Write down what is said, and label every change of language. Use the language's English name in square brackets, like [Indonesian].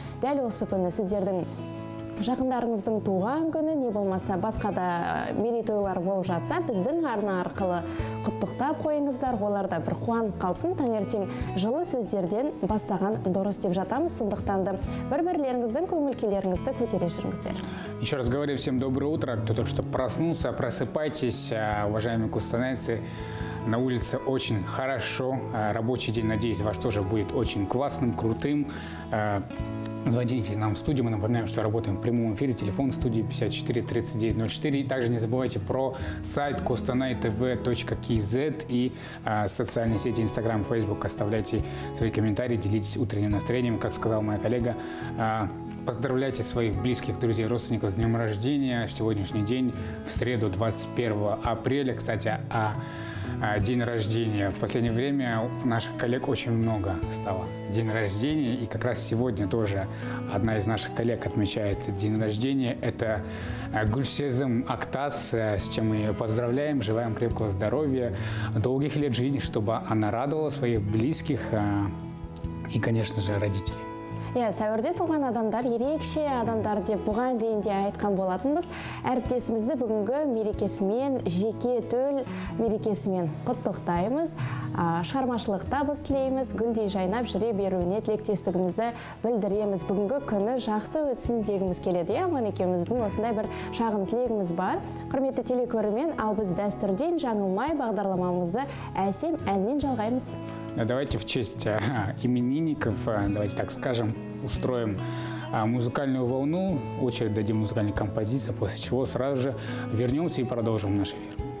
[Kazakh] Дәл осы күні сіздердің жақындарыңыздың туған күні, не болмаса басқа да мерейтойлар болып жатса, біздің арна арқылы құттықтап қойыңыздар. Оларда бір қуан қалсын, таңертең жылы сөздерден бастаған дұрыс деп жатамыз. Сондықтан да бір-бірлеріңіздің көңіл-күйлеріңізді көтере жүріңіздер. [Russian] Еще раз говорю, всем доброе утро. Кто только что проснулся, просыпайтесь, уважаемые костанайцы. На улице очень хорошо, рабочий день, надеюсь, ваш тоже будет очень классным, крутым. Звоните нам в студию, мы напоминаем, что работаем в прямом эфире, телефон студии 54-39-04. И также не забывайте про сайт kostanaitv.kz и социальные сети Instagram, Facebook. Оставляйте свои комментарии, делитесь утренним настроением, как сказала моя коллега. Поздравляйте своих близких, друзей, родственников с днем рождения. В сегодняшний день, в среду, 21 апреля, кстати, день рождения. В последнее время у наших коллег очень много стало день рождения. И как раз сегодня тоже одна из наших коллег отмечает день рождения. Это Гульсезым Актас, с чем мы ее поздравляем. Желаем крепкого здоровья, долгих лет жизни, чтобы она радовала своих близких и, конечно же, родителей. [Kazakh] сәуірде туған адамдар ерекше адамдар деп бұған дейін де айтқан болатынбыз. Әріптесімізді бүгінгі мерекесімен, жеке төл мерекесімен құттықтаймыз. Шығармашылық табыс тілейміз, гүлдей жайнап жүре беруіне тілектестігімізді білдіреміз. Бүгінгі күні жақсы өтсін дегіміз келеді. Манекеміздің осындай бір шағын тілегіміз бар. Құрметті телекөрермен, ал біз дәстүрден жаңылмай бағдарламамызды әсем әнмен жалғаймыз. [Russian] Давайте в честь именинников, давайте так скажем, устроим музыкальную волну, очередь дадим музыкальной композиции, после чего сразу же вернемся и продолжим наш эфир.